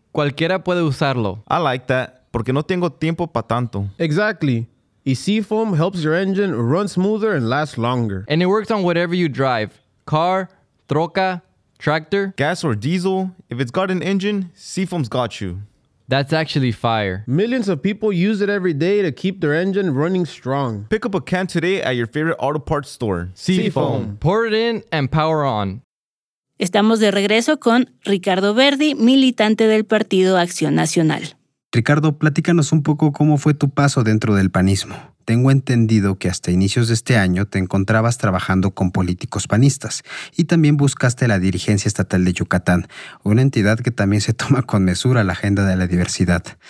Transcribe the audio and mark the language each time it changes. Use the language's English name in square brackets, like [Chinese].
[Spanish] Cualquiera puede usarlo. [English] I like that. [Spanish] Porque no tengo tiempo pa tanto. [English] Exactly. Y Seafoam helps your engine run smoother and last longer. And it works on whatever you drive. Car, troca, tractor. Gas or diesel. If it's got an engine, Seafoam's got you. That's actually fire. Millions of people use it every day to keep their engine running strong. Pick up a can today at your favorite auto parts store. Seafoam. Pour it in and power on. [Spanish] Estamos de regreso con Ricardo Verdi, militante del Partido Acción Nacional. Ricardo, platícanos un poco cómo fue tu paso dentro del panismo. Tengo entendido que hasta inicios de este año te encontrabas trabajando con políticos panistas y también buscaste la dirigencia estatal de Yucatán, una entidad que también se toma con mesura la agenda de la diversidad.